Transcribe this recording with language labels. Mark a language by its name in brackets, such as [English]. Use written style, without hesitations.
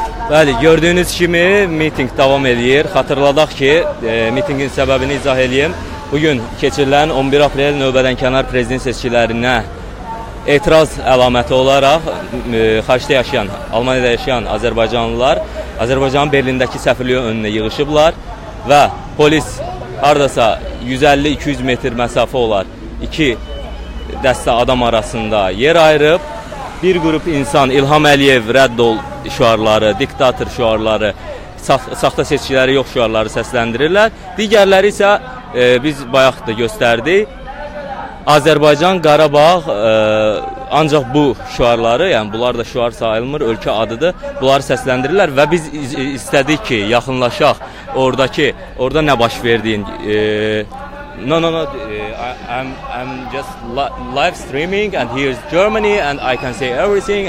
[Azerbaijani] Bəli, gördüyünüz kimi miting davam edir. Xatırladaq ki, mitingin səbəbini izah edeyim. Bugün keçirilən 11 aprel növbədən kənar prezident seçkilərinə etiraz əlaməti olaraq xaricdə yaşayan, Almaniyada yaşayan azərbaycanlılar Azərbaycanın Berlindəki səfirliyi önünə yığışıblar və polis hardasa 150-200 metr məsafə olar iki dəstə adam arasında yer ayırıb Bir qrup insan İlham Əliyev rədd ol şüarları, diktator şüarları, saxta seçkiləri yox şüarları səsləndirirlər. Digərləri isə biz bayaq da göstərdik. Azərbaycan, Qarabağ ancaq bu şüarları, yəni bunlar da şüar sayılmır, ölkə adıdır, bunları səsləndirirlər və biz istədik ki, yaxınlaşaq oradakı, orada nə baş verdiyin? [English] I'm just live streaming and here's Germany and I can say everything.